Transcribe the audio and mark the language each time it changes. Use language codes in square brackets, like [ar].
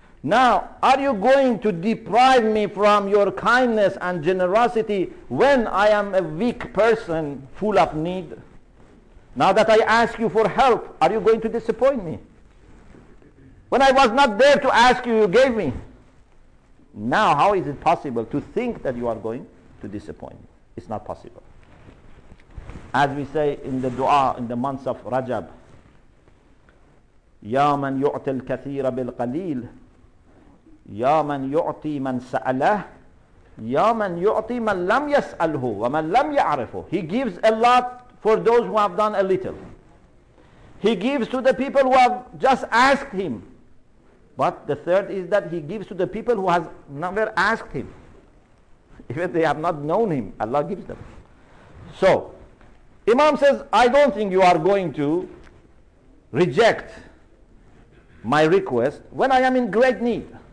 [en] Now, are you going to deprive me from your kindness and generosity when I am a weak person, full of need? Now that I ask you for help, are you going to disappoint me? When I was not there to ask you, you gave me. Now, how is it possible to think that you are going to disappoint me? It's not possible. [ar] As we say in the dua in the months of Rajab, يَا مَنْ يُعْتِ الْكَثِيرَ بِالْقَلِيلِ يَا مَنْ يُعْتِي مَنْ سَأَلَهُ يَا مَنْ يُعْتِي مَنْ لَمْ يَسْأَلْهُ وَمَنْ لَمْ يَعْرِفُهُ. [en] He gives a lot for those who have done a little. He gives to the people who have just asked him. But the third is that he gives to the people who has never asked him. Even they have not known him, Allah gives them. So, Imam says, I don't think you are going to reject my request when I am in great need.